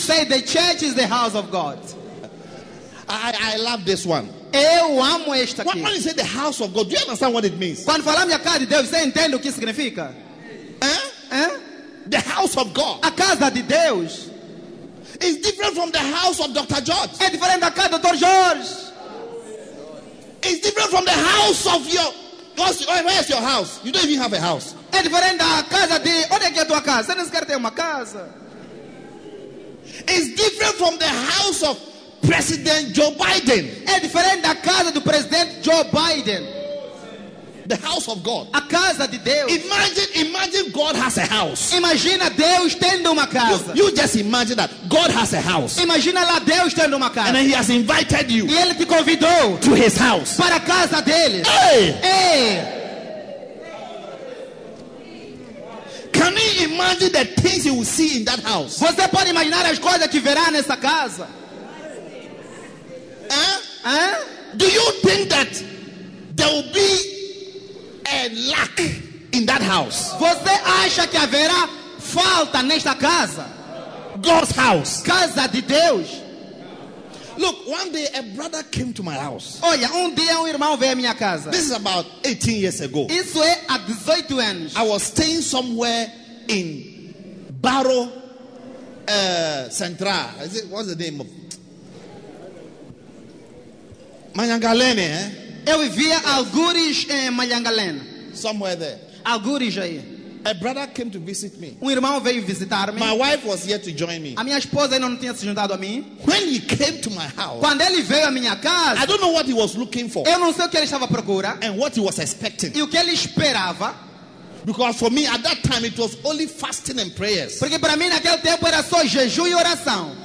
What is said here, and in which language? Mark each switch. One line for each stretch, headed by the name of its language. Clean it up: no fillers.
English: Say, the church is the house of God. I love this one.
Portuguese: Eu amo esta aqui.
English: When you say the house of God, do you understand what it means?
Portuguese: Quando falamos a casa de Deus, você entende o que significa?
English: The house of God.
Portuguese: A casa de Deus.
English: It's different from the house of Dr. George.
Portuguese: É diferente da casa do Dr. George.
English: It's different from the house of your... Where is your house? You don't even have a house.
Portuguese: É diferente da casa de... Onde é que é a tua casa? Você não sequer tem uma casa.
English: It's different from the house of President Joe Biden.
Portuguese: É diferente da casa do presidente Joe Biden.
English: The house of God.
Portuguese: A casa de Deus.
English: Imagine God has a house.
Portuguese: Imagina Deus tendo uma casa.
English: You just imagine that God has a house.
Portuguese: Imagina lá Deus tendo uma casa.
English: And then he has invited you.
Portuguese: E ele te convidou
English: to his house.
Portuguese: Para a casa dele. Hey!
English: Can you imagine the things you will see in that house?
Portuguese: Você pode imaginar as coisas que verá nessa casa?
English: Do you think that there will be a lack in that house?
Portuguese: Você acha que haverá falta nesta casa?
English: God's house.
Portuguese: Casa de Deus.
English: Look, one day a brother came to my house.
Portuguese: Olha, dia irmão veio à minha casa.
English: This is about 18 years ago.
Portuguese: Isso é há 18 anos.
English: I was staying somewhere in Barro Central. Is it, what's the name of? Manyangalene, eh?
Portuguese: Eu vivia algures em Manyangalene.
English: Somewhere there.
Portuguese: Algures aí.
English: A brother came to visit me.
Portuguese: Irmão veio visitar-me.
English: My wife was here to join me.
Portuguese: A minha esposa ainda não tinha se juntado a mim.
English: When he came to my house.
Portuguese: Quando ele veio à minha casa.
English: I don't know what he was looking for.
Portuguese: Eu não sei o que ele estava à procura.
English: And what he was expecting.
Portuguese: E o que ele esperava.
English: Because for me at that time it was only fasting and prayers.
Portuguese: Porque para mim naquele tempo era só jejum e oração.